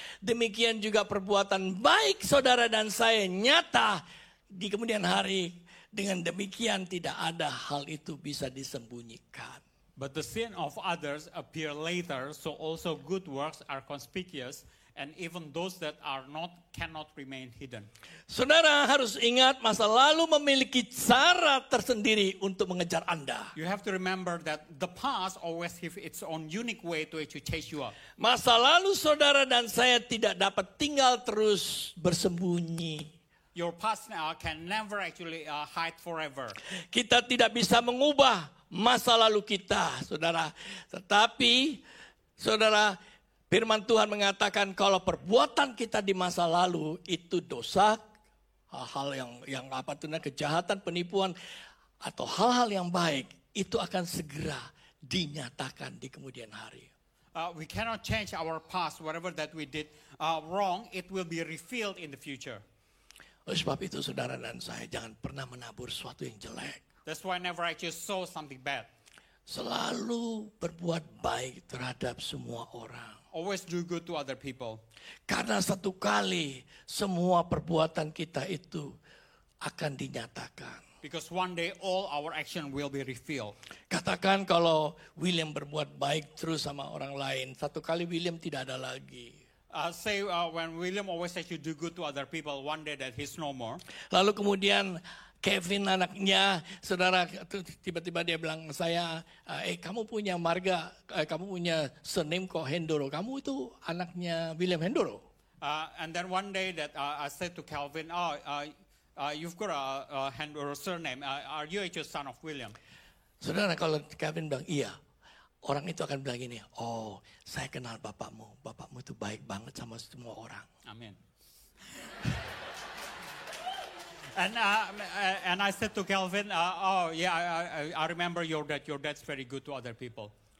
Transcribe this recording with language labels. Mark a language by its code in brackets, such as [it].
[id] Demikian juga perbuatan baik saudara dan saya nyata di kemudian hari, dengan demikian tidak ada hal itu bisa disembunyikan. [en] But the sin of others appear later, so also good works are conspicuous, and even those that are not cannot remain hidden. [id] Saudara harus ingat, masa lalu memiliki cara tersendiri untuk mengejar Anda. [en] You have to remember that the past always have its own unique way to chase you up. [id] Masa lalu saudara dan saya tidak dapat tinggal terus bersembunyi. [en] Your past can never actually hide forever. [id] Kita tidak bisa mengubah masa lalu kita, saudara. Tetapi, saudara, firman Tuhan mengatakan kalau perbuatan kita di masa lalu itu dosa, hal-hal yang apa itu, kejahatan, penipuan, atau hal-hal yang baik, itu akan segera dinyatakan di kemudian hari. [en] We cannot change our past. Whatever that we did wrong, it will be revealed in the future. [id] Oleh sebab itu, saudara dan saya, jangan pernah menabur sesuatu yang jelek. [en] That's why I never actually saw something bad. [id] Selalu berbuat baik terhadap semua orang. [en] Always do good to other people. [id] Karena satu kali semua perbuatan kita itu akan dinyatakan. [en] Because one day all our action will be revealed. [id] Katakan kalau William berbuat baik terus sama orang lain, satu kali William tidak ada lagi. [en] When William always says you do good to other people, one day that he's no more. [id] Lalu kemudian Kevin anaknya, saudara, tiba-tiba dia bilang saya, kamu punya marga, kamu punya surname kok Hendoro, kamu itu anaknya William Hendoro. [en] And then one day that I said to Calvin, you've got a Hendoro surname, are you actually son of William? [id] Saudara, kalau Kevin bilang iya. Orang itu akan bilang gini, oh, saya kenal bapakmu. Bapakmu itu baik banget sama semua orang. Amin. [en] And I said to Calvin, I remember your dad. Your dad's very good to other people.